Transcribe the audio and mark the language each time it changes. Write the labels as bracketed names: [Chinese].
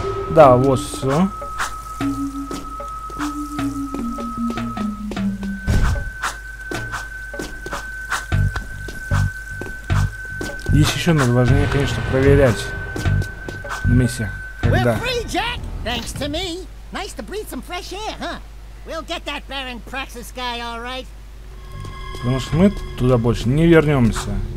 [Russian] Да, вот все. Есть еще надо важнее, конечно, проверять на миссиях. Когда. [English] We're free, Jack! Thanks to me! Nice to breathe some fresh air, huh? We'll get that Baron Praxis guy, all right? [Russian] Потому что мы туда больше не вернемся.